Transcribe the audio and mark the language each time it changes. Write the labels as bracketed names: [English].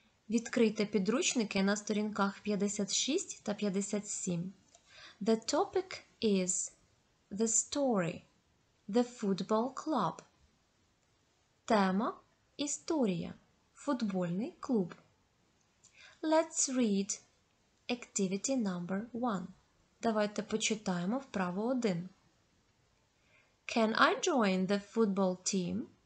[Ukrainian] Відкрийте підручники на сторінках 56 та 57. [English] The topic is the story, the football club. [Ukrainian] Тема – історія, футбольний клуб. [English] Let's read activity number one. [Ukrainian] Давайте почитаємо вправо один. [English] Can I join the football team?